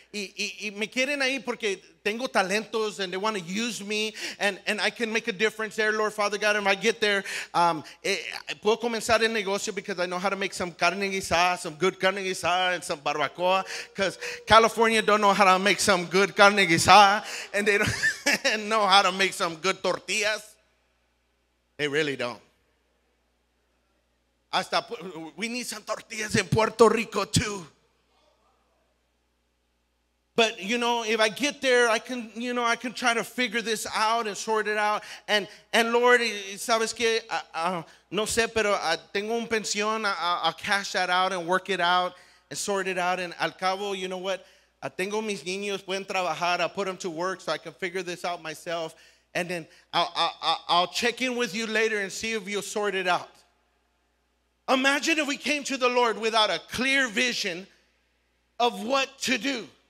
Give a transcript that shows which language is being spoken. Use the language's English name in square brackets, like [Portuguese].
[Spanish] Y me quieren ahí porque tengo talentos [English] and they want to use me and I can make a difference there, Lord, Father God. If I get there, [Spanish] puedo comenzar el negocio [English] because I know how to make some carne guisada, some good carne guisada and some barbacoa because California don't know how to make some good carne guisada and they don't know how to make some good tortillas. They really don't. [Spanish] Hasta, [English] we need some tortillas in Puerto Rico too. But, you know, if I get there, I can, you know, I can try to figure this out and sort it out. And Lord, [Spanish] ¿sabes qué? No sé, pero tengo un pensión. [English] I'll cash that out and work it out and sort it out. And [Spanish] al cabo, [English] you know what? [Spanish] Tengo mis niños. Pueden trabajar. [English] I'll put them to work so I can figure this out myself. And then I'll check in with you later and see if you'll sort it out. Imagine if we came to the Lord without a clear vision of what to do.